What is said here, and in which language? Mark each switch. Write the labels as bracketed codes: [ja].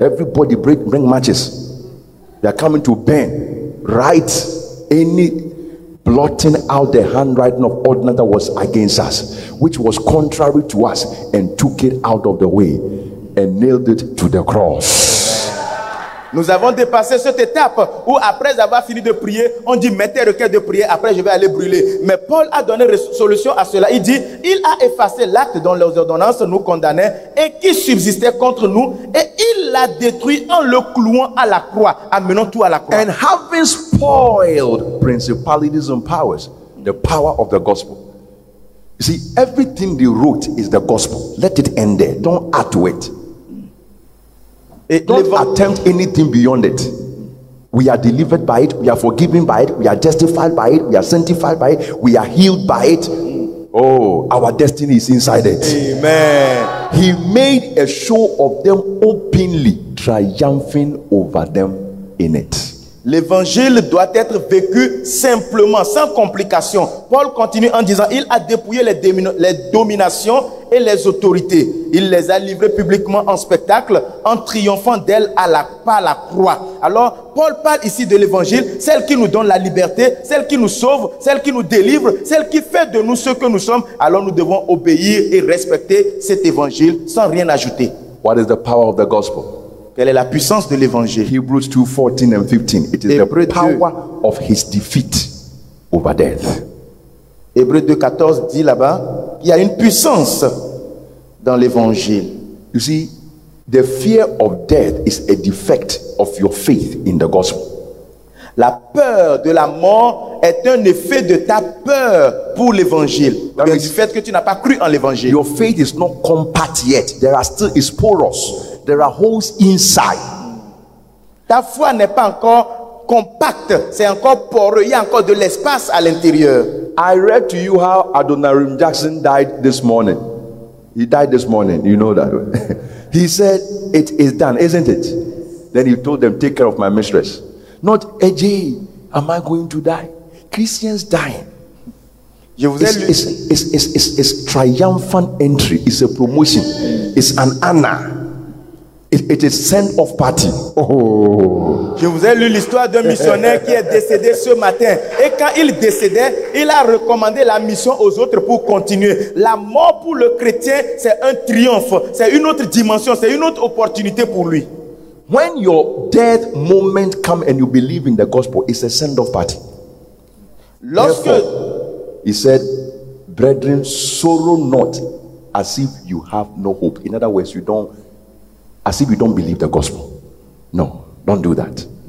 [en] Everybody bring matches. They are coming to burn. Write any blotting out the handwriting of ordinance that was against us, which was contrary to us, and took it out of the way and nailed it to the cross. [fr] Nous avons dépassé cette étape où après avoir fini de prier, on dit « mets tes requêtes de prière, après je vais aller brûler ». Mais Paul a donné solution à cela. Il dit « il a effacé l'acte dont les ordonnances nous condamnaient et qui subsistait contre nous et il l'a détruit en le clouant à la croix, amenant tout à la croix. » [en] And having spoiled principalities and powers, the power of the gospel. You see, everything they wrote is the gospel. Let it end there. Don't add to it. Don't attempt anything beyond it. We are delivered by it. We are forgiven by it. We are justified by it. We are sanctified by it. We are healed by it. Oh, our destiny is inside it. Amen. He made a show of them openly, triumphing over them in it. [fr] L'évangile doit être vécu simplement, sans complication. Paul continue en disant, il a dépouillé les dominations et les autorités. Il les a livrées publiquement en spectacle, en triomphant d'elles par la croix. Alors, Paul parle ici de l'évangile, celle qui nous donne la liberté, celle qui nous sauve, celle qui nous délivre, celle qui fait de nous ce que nous sommes. Alors, nous devons obéir et respecter cet évangile sans rien ajouter. [en] What is the power of the gospel? [fr] Quelle est la puissance de l'évangile? [en] Hebrews 2, 14 and 15. It is Hébreux the power 2, of his defeat over death. [fr] Hébreux 2, 14 dit là-bas, il y a une puissance dans l'évangile. [en] You see, the fear of death is a defect of your faith in the gospel. [fr] La peur de la mort est un effet de ta peur pour l'évangile. Bien du fait que tu n'as pas cru en l'évangile. [en] Your faith is not compact yet. There are still is porous. There are holes inside. [fr] Ta foi n'est pas encore compacte. C'est encore poreux. Il y a encore de l'espace à l'intérieur. [en] I read to you how Adoniram Jackson died this morning. He died this morning. You know that. He said, it is done, isn't it? Then he told them, take care of my mistress. Not, AJ, am I going to die? Christians dying. It's triumphant entry. It's a promotion. It's an honor. It is send off party. Oh. [fr] Je vous ai lu l'histoire d'un missionnaire qui est décédé ce matin. Et quand il décédait, il a recommandé la mission aux autres pour continuer. La mort pour le chrétien, c'est un triomphe. C'est une autre dimension. C'est une autre opportunité pour lui. [en] When your death moment comes and you believe in the gospel, it's a send off party. [fr] Lorsque [en] Therefore, he said, brethren, sorrow not as if you have no hope. In other words, as if you don't believe the gospel. No, don't do that.